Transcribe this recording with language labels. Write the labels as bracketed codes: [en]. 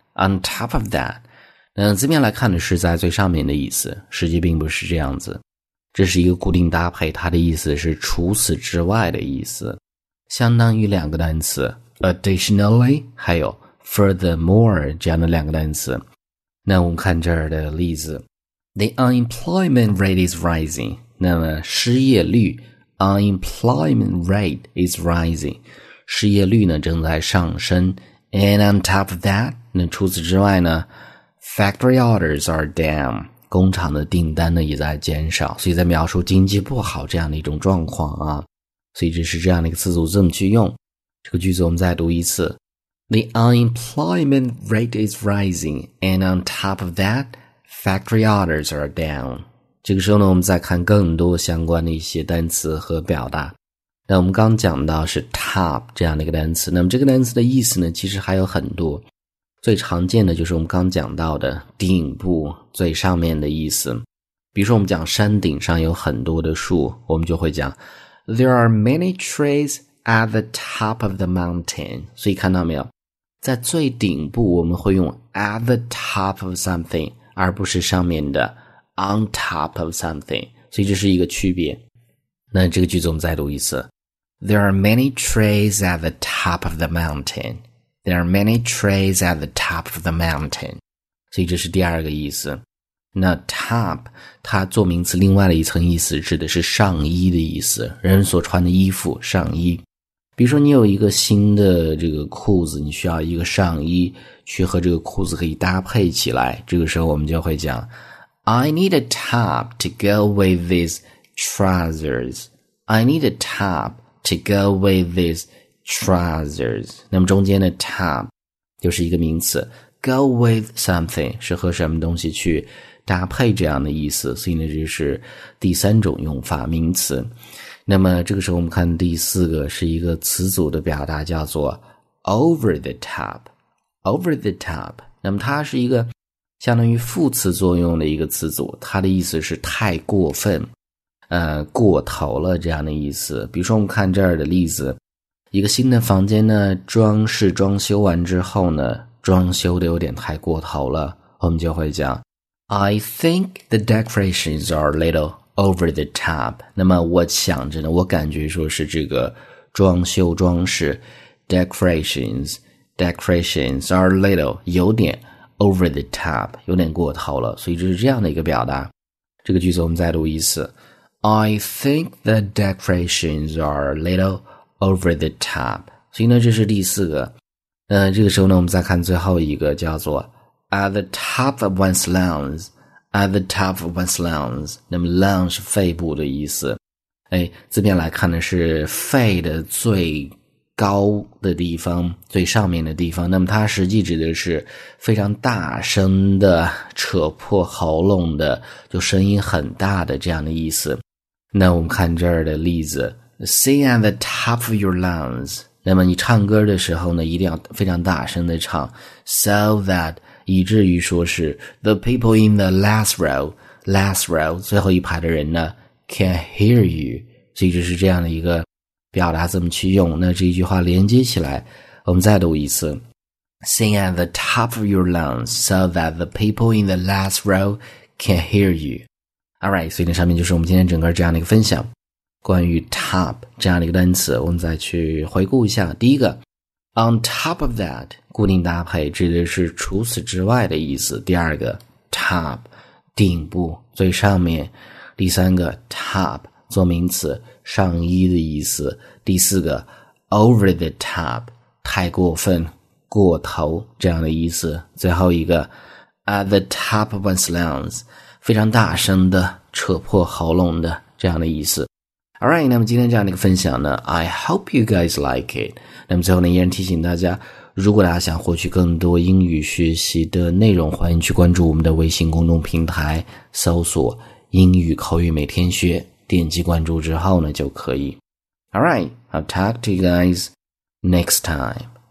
[en] on top of that， [zh] 那字面来看的是在最上面的意思，实际并不是这样子。这是一个固定搭配，它的意思是除此之外的意思，相当于两个单词 additionally 还有 furthermore 这样的两个单词。那我们看这儿的例子。 [en] The unemployment rate is rising. [zh] 那么失业率 [en] unemployment rate is rising. [zh] 失业率呢正在上升。 [en] And on top of that, [zh] 那除此之外呢 [en] factory orders are down. [zh] 工厂的订单呢也在减少。所以在描述经济不好这样的一种状况啊。所以这是这样的一个词组这么去用。这个句子我们再读一次。 [en] The unemployment rate is rising. And on top of that,Factory orders are down. [zh] 这个时候呢，我们再看更多相关的一些单词和表达。那我们刚讲到是 top 这样的一个单词，那么这个单词的意思呢，其实还有很多。最常见的就是我们刚讲到的顶部，最上面的意思。比如说我们讲山顶上有很多的树，我们就会讲 [en] There are many trees at the top of the mountain. [zh] 所以看到没有，在最顶部我们会用 [en] at the top of something. [zh] 而不是上面的 [en] on top of something， [zh] 所以这是一个区别。那这个句子我们再读一次。 [en] There are many trees at the top of the mountain. There are many trees at the top of the mountain. [zh] 所以这是第二个意思。那 top， 它做名词另外的一层意思指的是上衣的意思，人所穿的衣服，上衣。比如说你有一个新的这个裤子，你需要一个上衣去和这个裤子可以搭配起来，这个时候我们就会讲 [en] I need a top to go with these trousers. I need a top to go with these trousers. [zh] 那么中间的 top 就是一个名词， [en] go with something [zh] 是和什么东西去搭配这样的意思，所以呢这是第三种用法，名词。那么这个时候我们看第四个是一个词组的表达，叫做 [en] over the top， over the top。 [zh] 那么它是一个相当于副词作用的一个词组，它的意思是太过分，过头了这样的意思。比如说我们看这儿的例子，一个新的房间呢，装饰装修完之后呢，装修的有点太过头了，我们就会讲 [en] I think the decorations are a little over the top。 [zh] 那么我想着呢，我感觉说是这个装修装饰 [en] decorations are a little [zh] 有点 [en] over the top， [zh] 有点过头了，所以这是这样的一个表达。这个句子我们再读一次。 [en] I think the decorations are a little over the top。 [zh] 所以呢这是第四个。这个时候呢我们再看最后一个，叫做 [en] at the top of one's lungsAt the top of one's lungs， [zh] 那么 lungs 是肺部的意思。哎，字面来看呢是肺的最高的地方，最上面的地方。那么它实际指的是非常大声的扯破喉咙的，就声音很大的这样的意思。那我们看这儿的例子 ， [en] Sing at the top of your lungs。 [zh] 那么你唱歌的时候呢，一定要非常大声的唱 ， [en] so that。 [zh] 以至于说是 [en] The people in the last row [zh] 最后一排的人呢 [en] can hear you， [zh] 所以这是这样的一个表达，怎么去用。那这一句话连接起来我们再读一次。 [en] Sing at the top of your lungs so that the people in the last row can hear you. Alright， [zh] 所以那上面就是我们今天整个这样的一个分享，关于 top 这样的一个单词，我们再去回顾一下。第一个 [en] On top of that， [zh] 固定搭配指的是除此之外的意思。第二个 top， 顶部，最上面。第三个 top， 做名词，上衣的意思。第四个 [en] over the top， [zh] 太过分，过头这样的意思。最后一个 [en] at the top of one's lungs， [zh] 非常大声的，扯破喉咙的这样的意思。 [en] Alright， [zh] 那么今天这样的一个分享呢 ， [en] I hope you guys like it。 [zh] 那么最后呢，依然提醒大家，如果大家想获取更多英语学习的内容，欢迎去关注我们的微信公众平台，搜索“英语口语每天学”，点击关注之后呢，就可以。 [en] Alright， I'll talk to you guys next time.